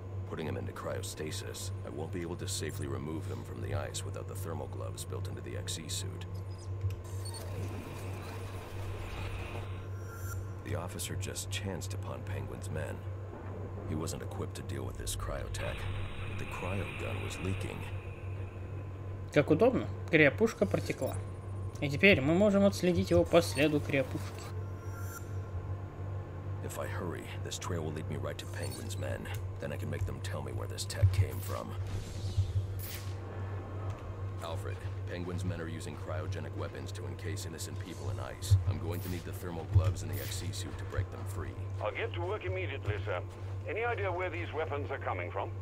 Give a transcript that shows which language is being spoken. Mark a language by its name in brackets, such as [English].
[English] Putting him into cryostasis, I won't be able to safely remove him from the ice without the thermal gloves built into the XE suit. The officer just chanced upon Penguin's men. He wasn't equipped to deal with this cryotech, but the cryo gun was leaking. [Russian] Как удобно, криопушка протекла. И теперь мы можем отследить его по следу криопушки. [English] If I hurry, this trail will lead me right to Penguin's men. Then I can make them tell me where this tech came from. Alfred, Penguin's men are using cryogenic weapons to encase innocent people in ice. I'm going to need the thermal gloves and the XC suit to break them free. I'll get to work immediately, sir. Any idea where these weapons are coming from?